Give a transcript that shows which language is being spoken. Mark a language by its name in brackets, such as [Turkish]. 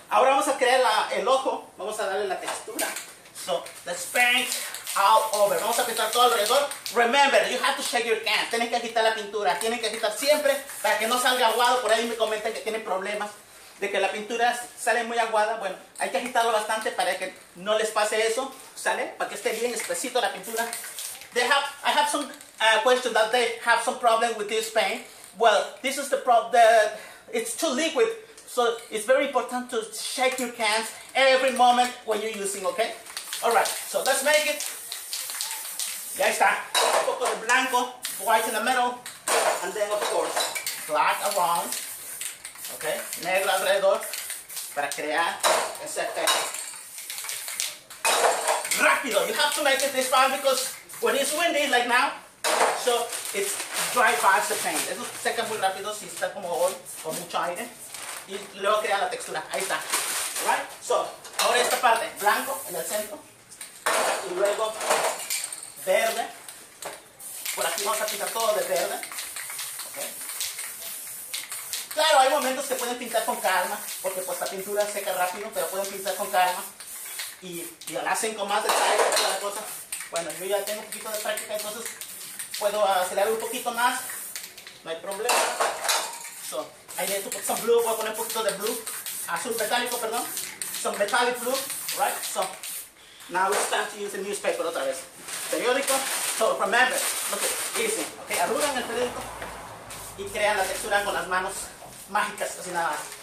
[Spanish] Ahora vamos a crear el ojo. Vamos a darle la textura. [English] So, let's paint all over. [Spanish] Vamos a pintar todo alrededor. [English] Remember, you have to shake your can. [Spanish] Tienen que agitar la pintura. Tienen que agitar siempre para que no salga aguado. Por ahí me comentan que tienen problemas de que la pintura sale muy aguada. Bueno, hay que agitarlo bastante para que no les pase eso. ¿Sale? Para que esté bien espesito la pintura. [English] I have some question that they have some problem with this paint. Well, this is the problem. It's too liquid. So it's very important to shake your cans every moment when you're using, okay? Alright, so let's make it. [Spanish] Ya está. Un poco de blanco, [English] white in the middle, and then of course, black around. [Spanish] Okay, negro alrededor, para crear ese efecto. [English] Rápido, you have to make it this fast because when it's windy, like now, so it's dry fast the paint. [Spanish] Eso seca muy rápido si está como hoy, con mucho aire. Y luego crea la textura, ahí está. Alright, so, ahora esta parte, blanco en el centro. Y luego verde. Por aquí vamos a pintar todo de verde. Okay. Claro, hay momentos que pueden pintar con calma, porque pues la pintura seca rápido, pero pueden pintar con calma. Y la hacen con más detalle, toda la cosa. Bueno, yo ya tengo un poquito de práctica, entonces puedo acelerar un poquito más. No hay problema. So, ahí le tengo [English] some blue, [Spanish] voy a poner un poquito de blue. Azul metálico, perdón. [English] Some metallic blue, right? So. Now it's time to use the newspaper [Spanish] otra vez. [English] Periódico. So remember, look at it. Easy. [Spanish] Okay, arrugan el periódico y crean la textura con las manos mágicas, así nada más.